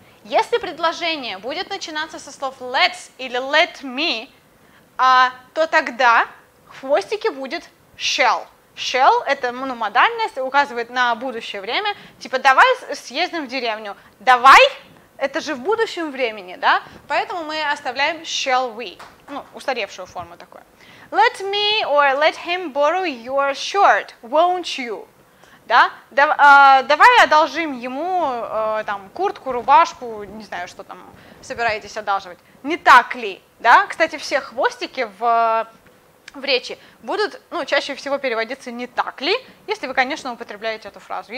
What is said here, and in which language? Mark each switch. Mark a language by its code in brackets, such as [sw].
[ru] Если предложение будет начинаться со слов let's или let me, то тогда хвостики будет shall. Shall – это мономодальность, указывает на будущее время. Типа давай съездим в деревню. Давай – это же в будущем времени, да? Поэтому мы оставляем shall we. Ну, устаревшую форму такую. [en] Let me or let him borrow your shirt, won't you? [ru] Да? Давай одолжим ему там куртку, рубашку, не знаю, что там собираетесь одалживать. Не так ли? Да? Кстати, все хвостики в речи будут, ну, чаще всего переводиться «не так ли», если вы, конечно, употребляете эту фразу.